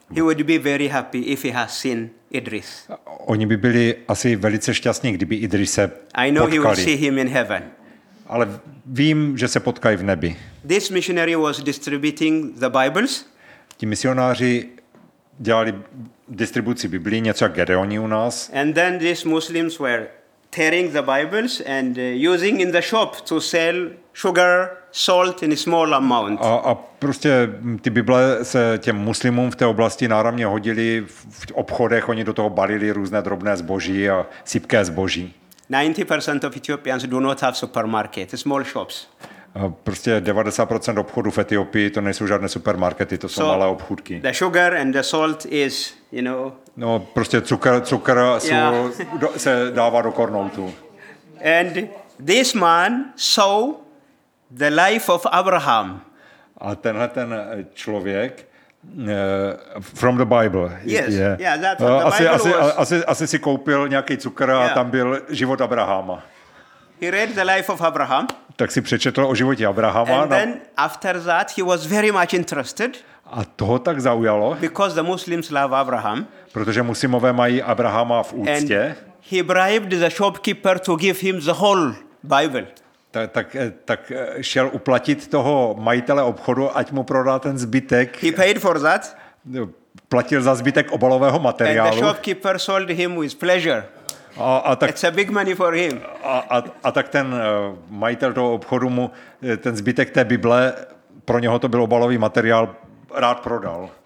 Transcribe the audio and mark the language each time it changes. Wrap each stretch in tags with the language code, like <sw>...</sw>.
<en>He would be very happy if he has seen Idris.</en> <cs>Oni by byli asi velice šťastní, kdyby Idrise potkali.</cs> <en>I know he will see him in heaven.</en> <cs>Ale vím, že se potkají v nebi.</cs> <en>This missionary was distributing the Bibles.</en> <cs>Ti misionáři dělali distribuci Biblii, něco jak Gedeoni u nás.</cs> <en>And then these Muslims were tearing the Bibles and using in the shop to sell sugar, salt in a small amount.</en> <cs>A prostě ty Bible se těm muslimům v té oblasti náramně hodili v obchodech, oni do toho balili různé drobné zboží a sypké zboží.</cs> <en>90% of Ethiopians do not have supermarkets, small shops.</en> <cs>Prostě 90% obchodů v Etiopii to nejsou žádné supermarkety, to jsou malé obchůdky.</cs> <en>The sugar and the salt is, you know.</en> <cs>No, prostě cukr se dává do kornoutu.</cs> <en>And this man saw the life of Abraham.</en> <cs>A tenhle ten člověk</cs> <en>from the Bible. Yes. Yeah. Yeah, that's what the Bible</en> <cs>asi, asi si koupil nějaký cukr a tam byl život Abrahama.</cs> <en>He read the life of Abraham.</en> <cs>Tak si přečetl o životě Abrahama.</cs> <en>And then after that he was very much interested.</en> <cs>A toho tak zaujalo.</cs> <en>Because the Muslims love Abraham.</en> <cs>Protože muslimové mají Abrahama v úctě.</cs> <en>And he bribed the shopkeeper to give him the whole Bible.</en> <cs>Tak šel uplatit toho majitele obchodu, ať mu prodá ten zbytek.</cs> <en>He paid for that.</en> <cs>Platil za zbytek obalového materiálu.</cs> <en>And the shopkeeper sold him with pleasure. It's a big money for him.</en> <cs>A tak ten majitel toho obchodu mu ten zbytek té Bible, pro něho to byl obalový materiál, rád prodal.</cs>